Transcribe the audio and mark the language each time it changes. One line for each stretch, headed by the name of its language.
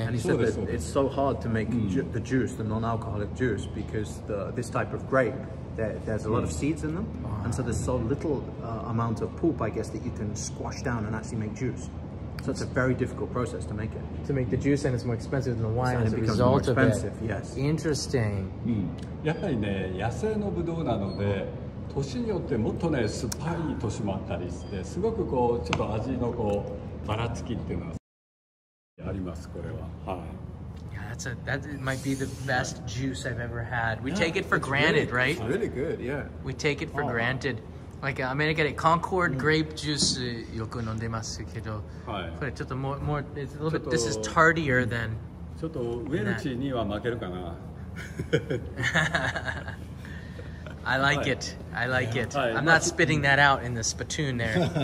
English: And he said that it's so hard to make the juice, the non-alcoholic juice, because this type of grape, there's a lot of seeds in them. Oh. And so there's so little amount of pulp, I guess, that you can squash down and actually make juice. So it's a very difficult process to make it. To make the juice, and it's more expensive than the wine as a result of it. And it becomes more expensive, yes. Interesting. Mm.
Japanese: やっぱりね、野生のブドウなので、年によってもっとね、酸っぱい年もあったりして、すごくこう、ちょっと味のこう、ばらつきっていうのは。
English: Yeah, that might be the best juice I've ever had. We take it for granted, really, right? It's really good, yeah. We take it for granted. Like, I mean, I get it. Concord grape juice,
Japanese: よく飲んでますけど。はい。これちょっと
English: more, it's a little bit, this is tardier than...
Japanese: ちょっとウェルチには負けるかな。
English: I like it. I like it. I'm not spitting that out in the spittoon there.